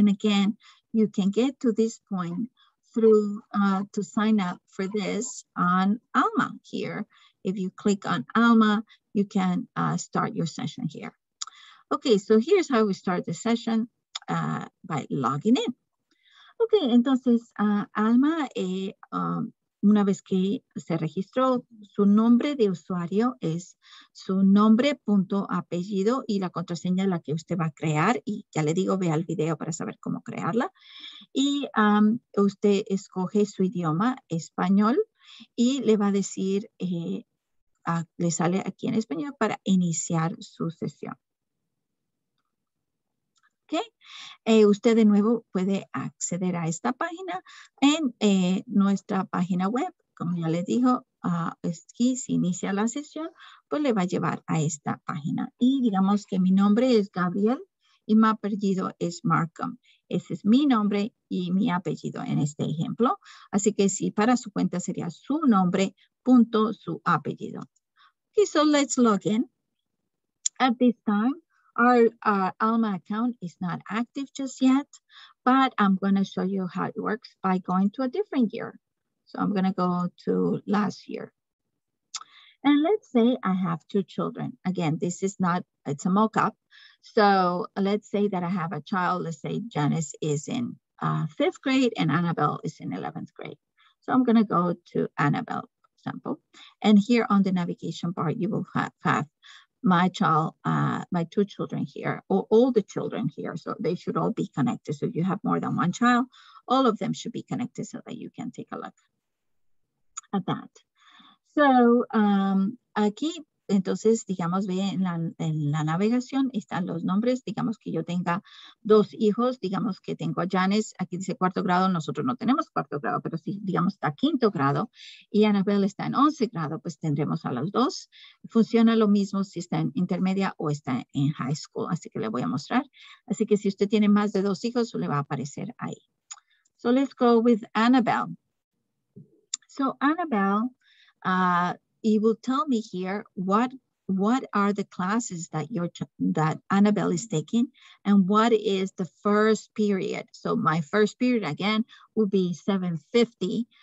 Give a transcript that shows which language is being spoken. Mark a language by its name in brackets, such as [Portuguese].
[English] And again, you can get to this point through to sign up for this on Alma here. If you click on Alma, you can start your session here. Okay, so here's how we start the session by logging in. [Spanish] Okay, entonces Alma, una vez que se registró, su nombre de usuario es su nombre punto apellido y la contraseña la que usted va a crear. Y ya le digo, vea el video para saber cómo crearla. Y usted escoge su idioma español y le va a decir, le sale aquí en español para iniciar su sesión. Ok, usted de nuevo puede acceder a esta página en nuestra página web. Como ya les dijo, aquí si inicia la sesión, pues le va a llevar a esta página. Y digamos que mi nombre es Gabriel y mi apellido es Markham. Ese es mi nombre y mi apellido en este ejemplo. Así que sí, para su cuenta sería su nombre punto su apellido. [English] Ok, so let's log in at this time. Our Alma account is not active just yet, but I'm gonna show you how it works by going to a different year. So I'm gonna go to last year. And let's say I have two children. Again, this is not, it's a mock-up. So let's say that I have a child. Let's say Janice is in fifth grade and Annabelle is in 11th grade. So I'm gonna go to Annabelle, for example. And here on the navigation bar, you will have my child, my two children here, or all the children here. So they should all be connected. So if you have more than one child, all of them should be connected so that you can take a look at that. [Spanish] So aquí, entonces, digamos, ve en la navegación, están los nombres. Digamos que yo tenga dos hijos. Digamos que tengo a Janice, aquí dice cuarto grado. Nosotros no tenemos cuarto grado, pero si, digamos, está quinto grado y Annabelle está en 11 grado, pues tendremos a los dos. Funciona lo mismo si está en intermedia o está en high school. Así que le voy a mostrar. Así que si usted tiene más de dos hijos, le va a aparecer ahí. [English] So let's go with Annabelle. So Annabelle, it will tell me here what are the classes that that Annabelle is taking and what is the first period. So my first period again will be 7:50.